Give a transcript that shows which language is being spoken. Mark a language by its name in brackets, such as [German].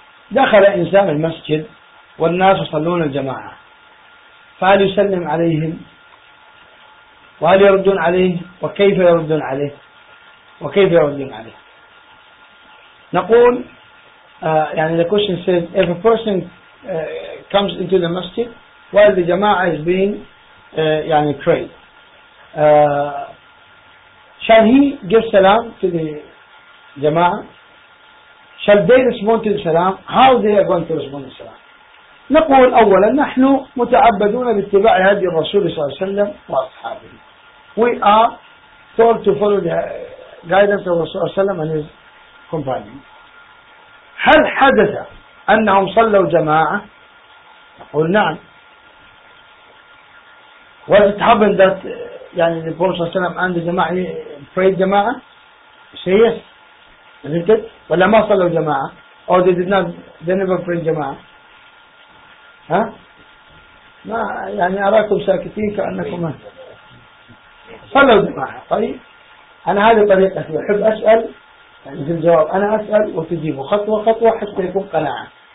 [Arabic] دخل إنسان المسجد والناس يصلون الجماعة، فهل يسلم عليهم وهل يردون عليه وكيف يردون عليه وكيف يردون عليه؟ نقول يعني [English] the question says if a person comes into the masjid while the jama'ah is being يعني prayed, shall he give salam to the jama'ah? Shall they respond to the salam? How they are going to respond to the salam? [Arabic] نقول أولا نحن متعبدون باتباع هدي الرسول صلى الله عليه وسلم وأصحابه. [English] We are told to follow the guidance of Rasulullah sallam and his companions. [Arabic] هل حدث أنهم صلوا جماعة؟ نقول نعم. [English] Was it happened that يعني the Prophet صلى الله عليه وسلم and the جماعة prayed جماعة؟ Say yes. Isn't it? [Arabic] ولا ما صلوا جماعة؟ [English] Or they did not, they never prayed [Arabic] جماعة؟ ها؟ ما يعني أراكم ساكتين كأنكم صلوا جماعة. طيب أنا هذه طريقة أحب أسأل يعني في الجواب أنا أسأل وتجيبوا خطوة خطوة حتى يكون قناعة.